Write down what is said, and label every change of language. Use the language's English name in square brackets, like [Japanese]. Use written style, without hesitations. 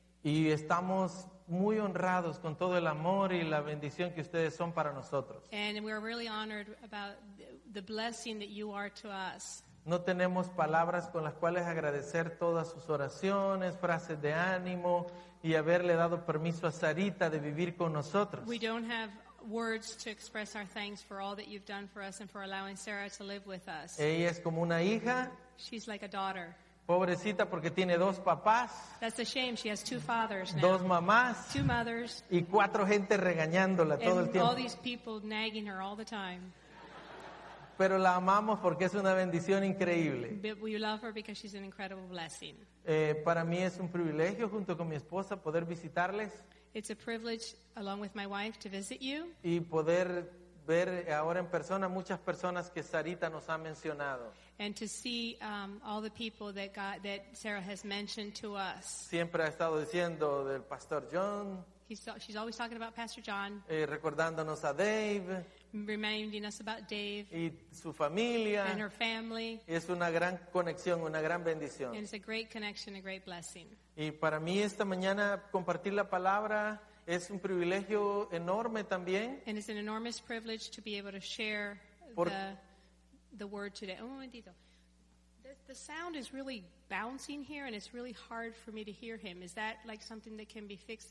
[Spanish] Y estamos muy honrados con todo el amor y la bendición que ustedes son para nosotros. [English] And we are really honored about the blessing that you are to us. [Spanish] No tenemos palabras con las cuales agradecer todas sus oraciones, frases de ánimo y haberle dado permiso a Sarita de vivir con nosotros. [English] We don't have words to express our thanks for all that you've done for us and for allowing Sarah to live with us. [Spanish] Ella es como una hija. [English] She's like a daughter. [Spanish] Pobrecita porque tiene dos papás. [English] That's a shame. She has two fathers now. [Spanish] Dos mamás. [English] Two mothers. [Spanish] Y cuatro gente regañándola [English] and [Spanish] todo el tiempo. [English] All these people nagging her all the time. [Spanish] Pero la amamos porque es una bendición increíble. [English] But we love her because she's an incredible blessing. [Spanish] Para mí es un privilegio junto con mi esposa poder visitarles. [English] It's a privilege along with my wife to visit you. [Spanish] Y poder ver ahora en persona muchas personas que Sarita nos ha mencionado. [English] And to see all the people that God, that Sarah has mentioned to us. [Spanish] Siempre ha estado diciendo del Pastor John. [English] She's always talking about Pastor John. [Spanish] Recordándonos a Dave. [English] Reminding us about Dave. [Spanish] Y su familia. [English] And her family. [Spanish] Es una gran conexión, una gran bendición. [English] And it's a great connection, a great blessing. [Spanish] Y para mí esta mañana compartir la palabra es un privilegio enorme también. [English] And it's an enormous privilege to be able to share the word today. [Spanish] Un momentito. [English] The sound is really bouncing here, and it's really hard for me to hear him. Is that like something that can be fixed?